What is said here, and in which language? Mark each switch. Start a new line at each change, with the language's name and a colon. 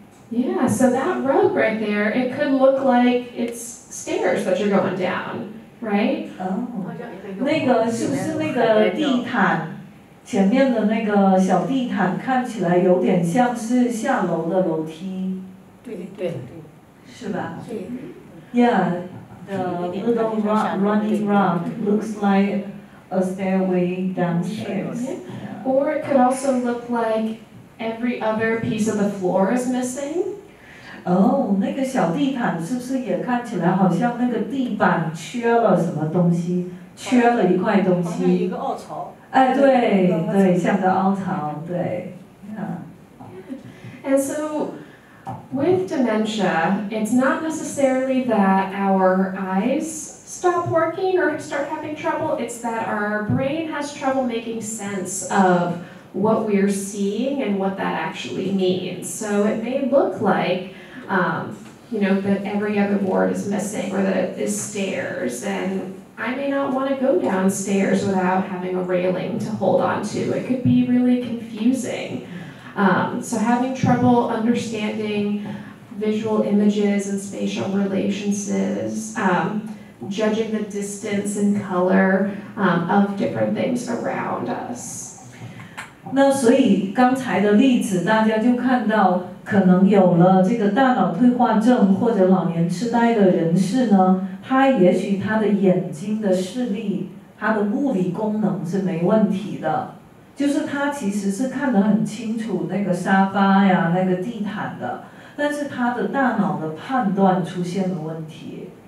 English: Yeah, so that rug right there, it could look like it's stairs that you're going down, right?
Chinese: Oh, 那个是不是那个地毯？前面的那个小地毯看起来有点像是下楼的楼梯。对，是吧？对。
English: Yeah, the little running rug looks like a stairway downstairs. Or it could also look like every other piece of the floor is missing.
Chinese: Oh, 那个小地毯是不是也看起来好像那个地板缺了什么东西，缺了一块东西？好像一个凹槽。哎，对对，像个凹槽，对。
English: Yeah. And so, with dementia, it's not necessarily that our eyes stop working or start having trouble, it's that our brain has trouble making sense of what we're seeing and what that actually means. So it may look like, you know, that every other board is missing or that it's stairs, and I may not want to go downstairs without having a railing to hold on to. It could be really confusing. So having trouble understanding visual images and spatial relationships, judging the distance and color of different things around us.
Chinese: 那所以刚才的例子，大家就看到，可能有了这个大脑退化症或者老年痴呆的人士呢，他也许他的眼睛的视力，他的物理功能是没问题的，就是他其实是看得很清楚那个沙发呀，那个地毯的，但是他的大脑的判断出现了问题。